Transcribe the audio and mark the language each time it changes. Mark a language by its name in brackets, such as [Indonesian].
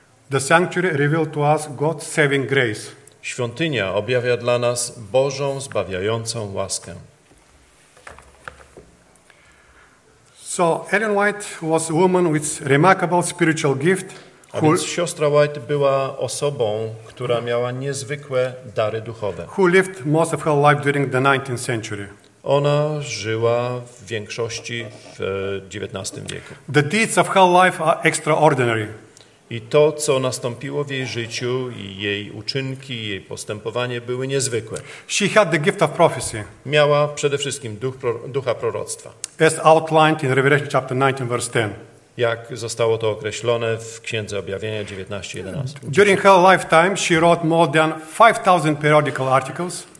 [English] the sanctuary revealed to us God's saving grace. [Polish] Świątynia objawia dla nas Bożą zbawiającą łaskę. [English] So Ellen White was a woman with remarkable spiritual gift. [Polish] A więc siostra White była osobą, która miała niezwykłe dary duchowe. [English] Who lived most of her life during the 19th century. [Polish] Ona żyła w większości w XIX wieku. [English] The deeds of her life are extraordinary. [Polish] I to, co nastąpiło w jej życiu, i jej uczynki, i jej postępowanie były niezwykłe. [English] She had the gift of prophecy. [Polish] Miała przede wszystkim ducha proroctwa. [English] As outlined in Revelation chapter 19, verse 10. [Polish] Jak zostało to określone w Księdze Objawienia 19:11. [English] During her lifetime she wrote more than 5000 periodical articles.